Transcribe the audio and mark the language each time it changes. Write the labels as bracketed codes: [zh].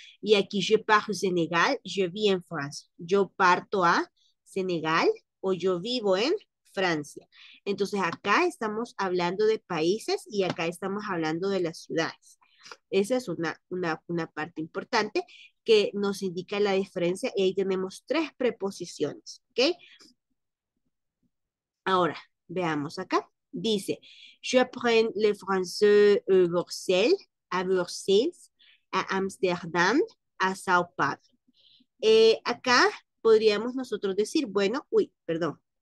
[es] Y aquí, [fr] je pars au Senegal, je vis en France. [es] Yo parto a Senegal o yo vivo en Francia. Entonces, acá estamos hablando de países y acá estamos hablando de las ciudades. Esa es una parte importante que nos indica la diferencia y ahí tenemos tres preposiciones, ¿ok? Ahora, veamos acá. [fr] Dice, je apprends le français à Bruxelles, à Bruxelles, à Amsterdam, à São Paulo. [es] Acá podríamos nosotros decir, bueno, uy, perdón.